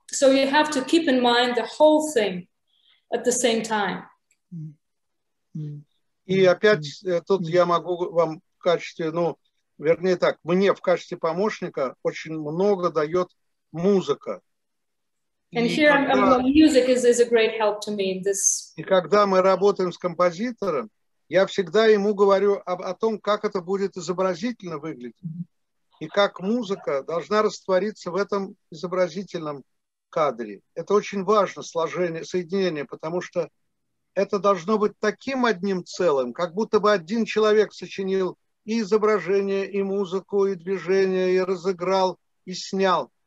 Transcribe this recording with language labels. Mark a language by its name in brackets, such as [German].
[English] So you have to keep in mind the whole thing at the same time. [Russian] И опять тут я могу вам в качестве, ну, вернее так, мне в качестве помощника очень много дает музыка. [English] And here music is a great help to me in this. [Russian] И когда мы работаем с композитором, я всегда ему говорю о том, как это будет изобразительно выглядеть и как музыка должна раствориться в этом изобразительном кадре. Это очень важно, сложение, соединение, потому что это должно быть таким одним целым, как будто бы один человек сочинил и изображение, и музыку, и движение, и разыграл, и снял.